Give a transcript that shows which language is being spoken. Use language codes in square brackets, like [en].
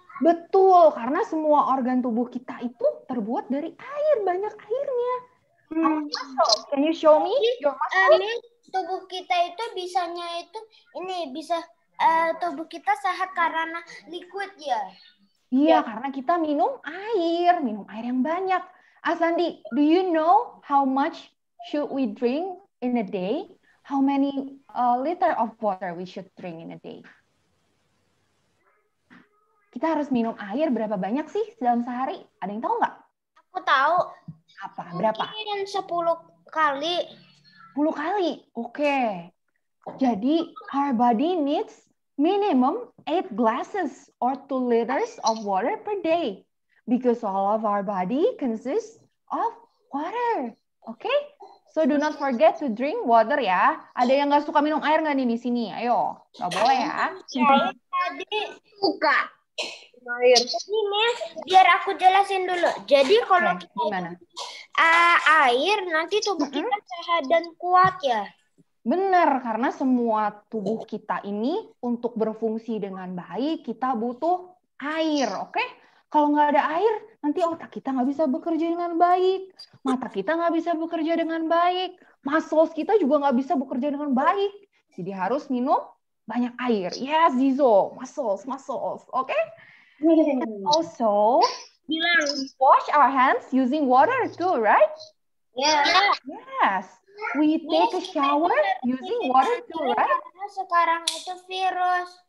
[id] Betul, karena semua organ tubuh kita itu terbuat dari air, banyak airnya. [en] Muscle, can you show me your muscle? [id] Tubuh kita itu bisanya itu ini bisa tubuh kita sehat karena liquid ya. Iya, karena kita minum air yang banyak. [en] Asandi, do you know how much should we drink in a day? How many liter of water we should drink in a day? [id] Kita harus minum air berapa banyak sih dalam sehari? Ada yang tahu nggak? Aku tahu. Apa? Berapa? Mungkin 10 kali. 10 kali? Oke. Jadi, [en] our body needs minimum 8 glasses or 2 liters of water per day. Because all of our body consists of water. Oke? So, do not forget to drink water ya. [id] Ada yang nggak suka minum air nggak nih di sini? Ayo. Nggak boleh ya. Tadi suka. Air. Ini biar aku jelasin dulu. Jadi kalau kita air nanti tubuh kita sehat dan kuat ya. Benar, karena semua tubuh kita ini untuk berfungsi dengan baik kita butuh air, oke? Kalau nggak ada air nanti otak kita nggak bisa bekerja dengan baik, mata kita nggak bisa bekerja dengan baik, muscles kita juga nggak bisa bekerja dengan baik. Jadi harus minum banyak air. Yes, Zizo, muscles, oke? [en] And also, wash our hands using water too, right? Yeah. Yes. We take a shower using water too, right? [id] Sekarang itu virus.